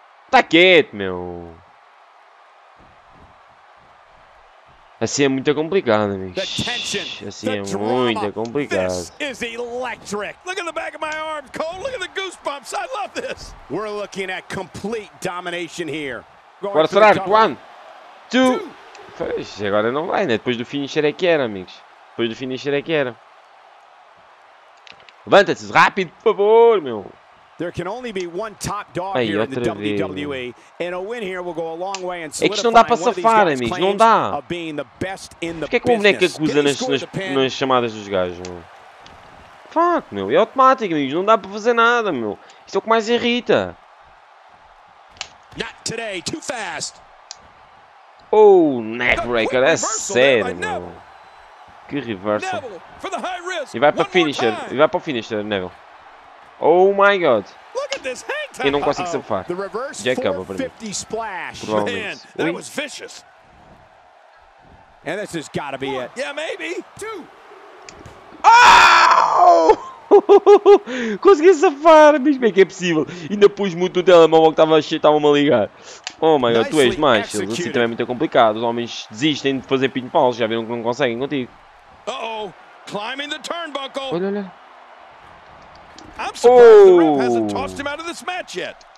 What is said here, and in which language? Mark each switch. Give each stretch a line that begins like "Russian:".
Portuguese: Tá quieto, meu! Assim é muito complicado, amigos. Assim é muito complicado.
English: This is electric. Look at the back of my arm, Cole. Look at the goosebumps. I love this. We're looking at complete domination here.
Portuguese: Agora será?
English: One, two.
Portuguese: Pois, agora não vai, né? Depois do finisher é que era, amigos. Depois do finisher é que era. Levanta-se rápido, por favor, meu.
English: There can only be one top dog aí, here in the WWE,
Portuguese: vez,
English: and a win here will go a long way in solidifying one of these guys' claims of being the best in the business.
Portuguese: Porquê que o boneco acusa nas chamadas dos gajos? Fuck, meu, é automático, amigos, não dá para fazer nada, meu. Isso é o que mais irrita.
English: Not today, too fast.
Portuguese: Oh, neckbreaker, é sério, meu. Que reversal. E vai para finisher, e vai para o finisher, Neville.
English: Oh my god! Look at this hang time.
Portuguese: Eu não consigo safar. Já acaba para mim. Splash. Provavelmente.
English: Man, that was vicious. And this has got to be it. Yeah, maybe. Two.
Portuguese: Oh! Consegui safar, bicho. Bem que é possível. Ainda pus muito o telemóvel que estava a ligar.
English: Oh my god,
Portuguese: tu és mais. Assim também é muito complicado. Os homens desistem de fazer pinball. Já viram que não conseguem contigo.
English: Uh-oh. Climbing the turnbuckle.
Portuguese: Olha, olha.
English: I'm surprised the ref hasn't tossed him out of this match yet.